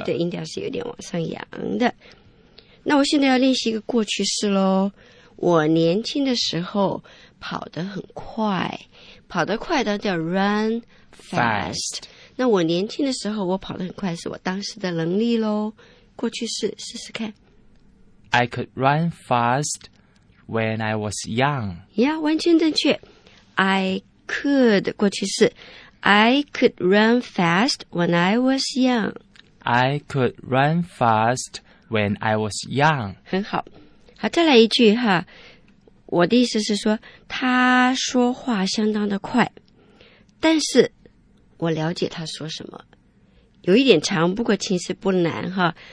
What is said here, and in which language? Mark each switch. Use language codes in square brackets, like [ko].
[zh] 对，音调是有点往上扬的。那我现在要练习一个过去式咯。我年轻的时候跑得很快，跑得快的叫 run fast。那我年轻的时候我跑得很快是我当时的能力咯。过去式试试看。 [en] I could run fast when I was young. [zh] Yeah, 完全正确。 [en] I could, [zh] 过去式。 [en] I could run fast when I was young. I could run fast when I was young. [zh] 很好。好，再来一句哈。我的意思是说他说话相当的快。但是我了解他说什么。有一点长，不过其实不难哈。